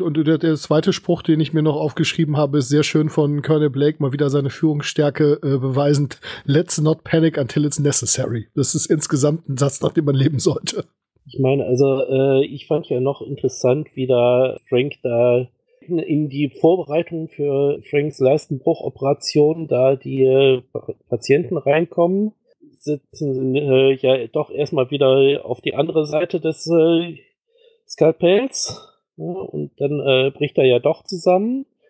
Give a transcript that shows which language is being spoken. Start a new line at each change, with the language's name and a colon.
German: Und der zweite Spruch, den ich mir noch aufgeschrieben habe, ist sehr schön von Colonel Blake, mal wieder seine Führungsstärke beweisend.
English: Let's not panic until it's necessary.
German: Das ist insgesamt ein Satz, nach dem man leben sollte. Ich meine, also ich fand ja noch interessant, wie da Frank da in die Vorbereitung für Franks Leistenbruchoperation da die Patienten reinkommen. Sitzen ja doch erstmal wieder auf die andere Seite des Skalpells, ja, und dann bricht er ja doch zusammen.